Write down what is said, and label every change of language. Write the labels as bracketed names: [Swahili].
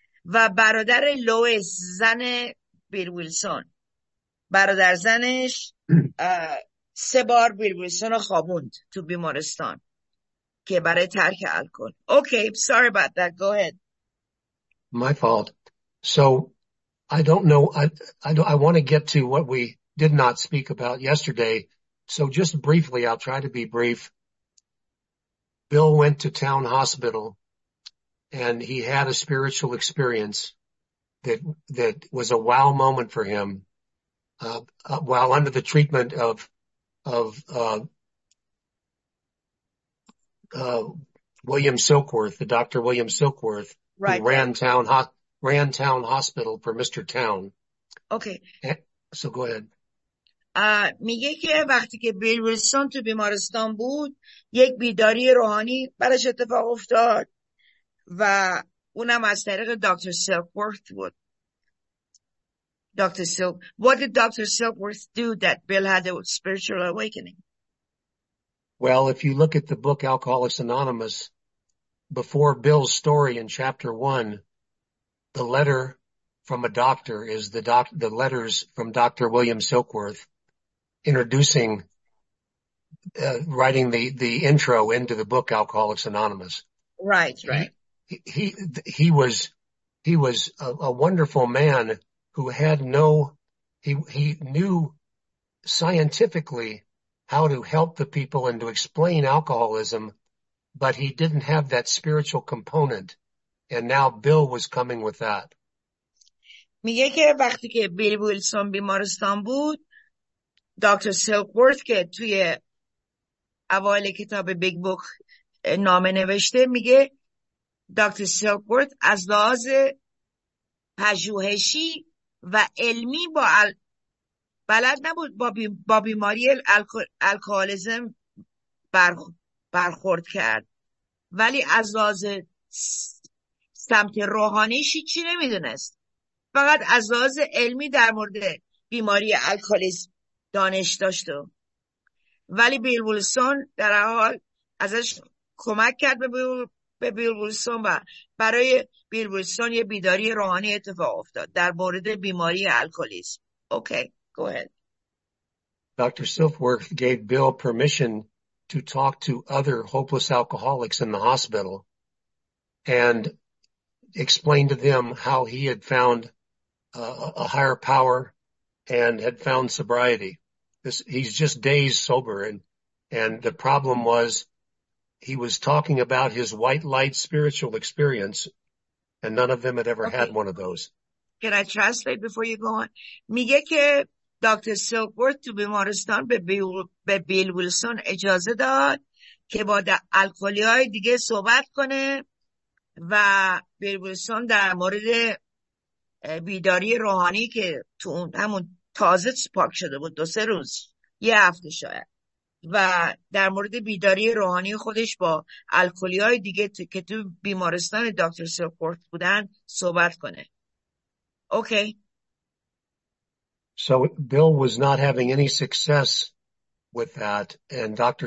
[Persian] و برادر لوئس، زن بیل ویلسون، برادر زنش 3 بار بیل ویلسون رو خوابوند تو بیمارستان که برای ترک الکل. [English] Okay, sorry about that, go ahead. My fault. So I don't know, I want to get to what we did not speak about yesterday. So just briefly, I'll try to be brief. Bill went to Town Hospital and he had a spiritual experience that was a wow moment for him while under the treatment of William Silkworth, the Dr. William Silkworth, right, who ran Town Hospital for Mr. Town. Okay. So go ahead. [Persian] میگه که وقتی که بیل ویلسون تو بیمارستان بود، یک بیداری روحانی براش اتفاق افتاد. و اونم از طریق دکتر سیلکورث بود. [English] Doctor سیل What did Dr. Silkworth do that Bill had a spiritual awakening? Well, if you look at the book Alcoholics Anonymous, before Bill's story in chapter one, the letter from a doctor is the letters from Dr. William Silkworth introducing, writing the intro into the book Alcoholics Anonymous. Right, right. He was a wonderful man who had no, he knew scientifically how to help the people and to explain alcoholism, but he didn't have that spiritual component. And now Bill was coming with that. [Persian] میگه که وقتی که بیل ویلسون بیمارستان بود، دکتر سیلکورث که توی اوایل کتاب بیگ بوک نامه نوشته، میگه دکتر سیلکورث از لحاظ پژوهشی و علمی با بلد نبود با بیماری الکالیزم برخورد کرد، ولی از لحاظ سمت روحانیش هیچی نمیدونست، فقط از لحاظ علمی در مورد بیماری الکالیزم دانش داشت. ولی بیل ویلسون در حال ازش کمک کرد به بیل ویلسون و برای بیل ویلسون یه بیداری روحانی اتفاق افتاد در مورد بیماری الکالیزم. [English] Okay, go ahead. Dr. Silkworth gave Bill permission to talk to other hopeless alcoholics in the hospital and explain to them how he had found a higher power and had found sobriety. He's just days sober, and the problem was he was talking about his white light spiritual experience, and none of them had ever had one of those. Can I translate before you go on? [Persian] میگه که دکتر سیلکورث تو بیمارستان به بیل ویلسون اجازه داد که با الکلی‌های دیگه صحبت کنه و بیل ویلسون در مورد بیداری روحانی که تو همون تازه پاک شده بود، دو سه روز، یه هفته شاید، و در مورد بیداری روحانی خودش با الکلی‌های دیگه که تو بیمارستان دکتر سیلکورث بودن صحبت کنه. [English] Okay. So Bill was not having any success with that, and Dr.